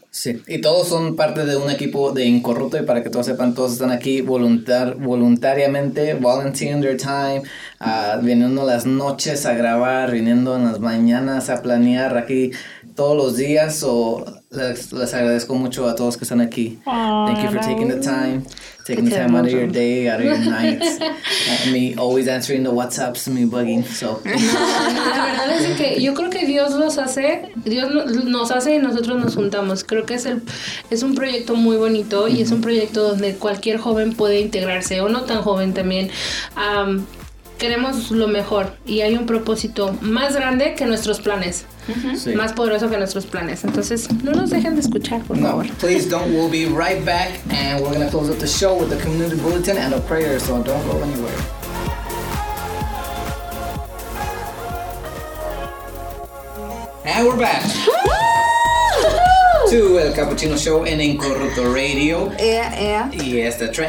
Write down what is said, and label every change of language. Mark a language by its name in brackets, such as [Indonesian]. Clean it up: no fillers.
[Spanish] Sí, y todos son parte de un equipo de Incorrupto, y para que todos sepan, todos están aquí voluntariamente, [English] volunteering their time, [Spanish] viniendo las noches a grabar, viniendo en las mañanas a planear aquí todos los días, o Les agradezco mucho a todos que están aquí. [English] Thank you for taking the time. Taking the time out of your day, out of your nights. Me always answering the WhatsApps, me bugging. So. [Spanish] No, la verdad es que yo creo que Dios los hace. Dios nos hace y nosotros nos juntamos. Creo que es un proyecto muy bonito y es un proyecto donde cualquier joven puede integrarse, o no tan joven también. Queremos lo mejor y hay un propósito más grande que nuestros planes. Sí. Más poderoso que nuestros planes. Entonces, no nos dejen de escuchar, por favor. [English] Please don't. We'll be right back and we're going to close up the show with the community bulletin and a prayer, so don't go anywhere. And we're back. To El Cappuccino Show and Incorrupto Radio. Yes, that's right.